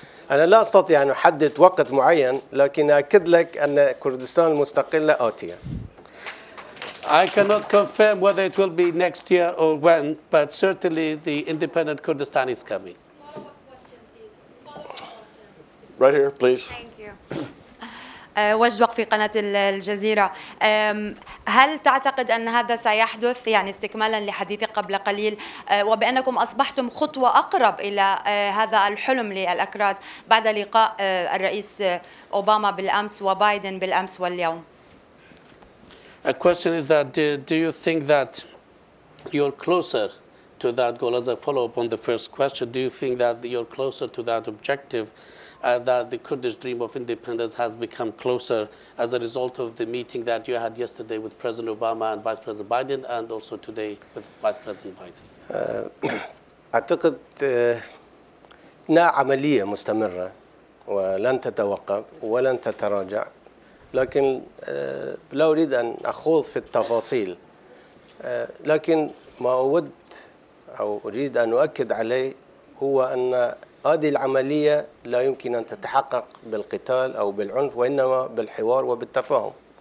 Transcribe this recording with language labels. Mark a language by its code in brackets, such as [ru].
[ar] أنا لا أستطيع أن أحدد وقت معين لكن أكد لك أن كردستان المستقلة آتية. [en] I cannot confirm whether it will be next year or when, but certainly the independent Kurdistan is coming. Right here, please. [ar] وجدوك في قناة الجزيرة هل تعتقد أن هذا سيحدث يعني استكمالا لحديثي قبل قليل وبأنكم أصبحتم خطوة أقرب إلى هذا الحلم للأكراد بعد لقاء الرئيس أوباما بالأمس وبايدن بالأمس واليوم [en] A question is that do you think that you're closer to that goal as a follow-up on the first question do you think that you're closer to that objective that the Kurdish dream of independence has become closer as a result of the meeting that you had yesterday with President Obama and Vice President Biden and also today with Vice President Biden. [ar] أعتقد نا عملية مستمرة ولن تتوقف ولن تتراجع لكن لا أريد أن أخوض في التفاصيل لكن ما أود أو أريد أن أؤكد عليه هو أن هذه العملية لا يمكن أن تتحقق بالقتال أو بالعنف وإنما بالحوار وبالتفاهم.